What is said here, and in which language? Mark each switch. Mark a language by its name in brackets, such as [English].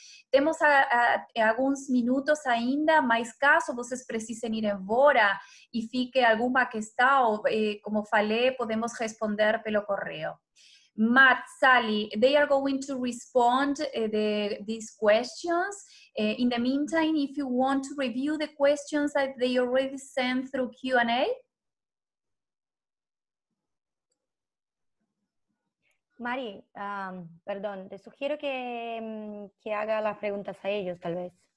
[Portuguese] Temos alguns minutos ainda, mas caso vocês precisem ir embora e fique alguma questão, como falei, podemos responder pelo correio. [English] Matt, Sally, they are going to respond these questions. In the meantime, if you want to review the questions that they already sent through Q&A. [Spanish] Mari, perdón, te sugiero que haga las preguntas a ellos, tal vez.